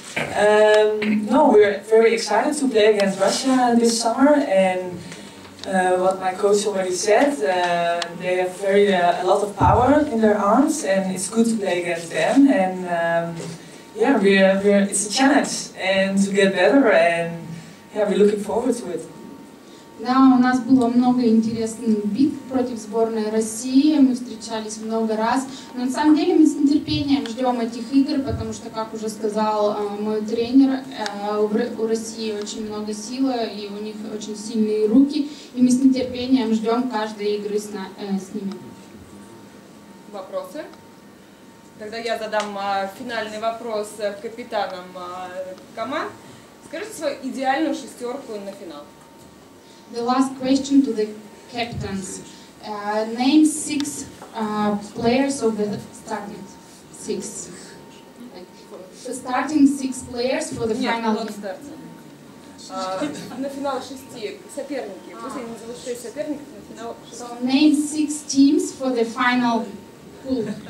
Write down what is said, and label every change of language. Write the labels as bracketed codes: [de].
[en] No, we're very excited to play against Russia this summer, and what my coach already said, they have a lot of power in their arms, and it's good to play against them. And it's a challenge, and to get better, and we're looking forward to it. [ru] Да, у нас было много интересных битв против сборной России, мы встречались много раз, но на самом деле мы с нетерпением ждем этих игр, потому что, как уже сказал мой тренер, у России очень много силы, и у них очень сильные руки, и мы с нетерпением ждем каждой игры с ними. Вопросы? Тогда я задам финальный вопрос капитанам команд. Скажите свою идеальную шестерку на финал. [en] The last question to the captains. Name six players of the starting six. The starting six players for the final. [ru] Нет, на финал шести соперники. Пусть они назовут шесть соперников на финал. [en] So name six teams for the final pool.